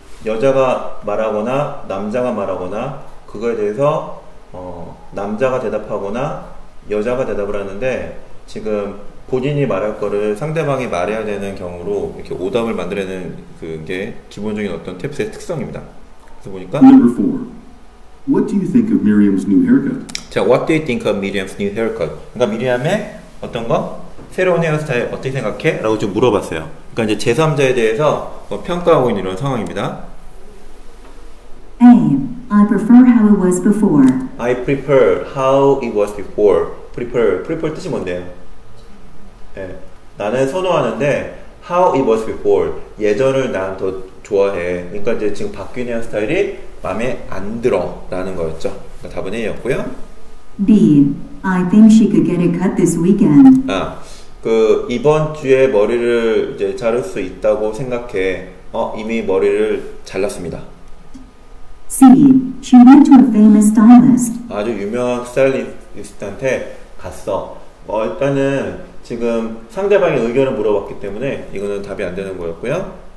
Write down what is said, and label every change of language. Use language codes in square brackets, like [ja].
[ko] 여자가 말하거나 남자가 말하거나 그거에 대해서 남자가 대답하거나 여자가 대답을 하는데 지금 본인이 말할 거를 상대방이 말해야 되는 경우로 이렇게 오답을 만들어내는 그게 기본적인 어떤 탭스의 특성입니다. 그래서 보니까 [en] Number 4. What do you think of Miriam's new haircut? 자, what do you think of Miriam's new haircut? [ko] 그러니까 미리암의 어떤 거? 새로운 헤어스타일 어떻게 생각해? 라고 좀 물어봤어요. 그러니까 이제 제3자에 대해서 평가하고 있는 이런 상황입니다. [en] A. I prefer how it was before. I prefer how it was before. Prefer. Prefer [ko] 뜻이 뭔데요? 네. 나는 선호하는데 [en] how it was before. [ko] 예전을 난 더 좋아해. 그러니까 이제 지금 바뀐 헤어스타일이 마음에 안 들어. 라는 거였죠. 그러니까 답은 A였고요. [en] B. I think she could get a cut this weekend. [ko] 아, 그 이번 주에 머리를 이제 자를 수 있다고 생각해. 이미 머리를 잘랐습니다. [en] C. She went to a famous stylist. [ko] 아주 유명한 스타일리스트한테 갔어. 일단은 지금 상대방의 의견을 물어봤기 때문에 이거는 답이 안 되는 거였고요.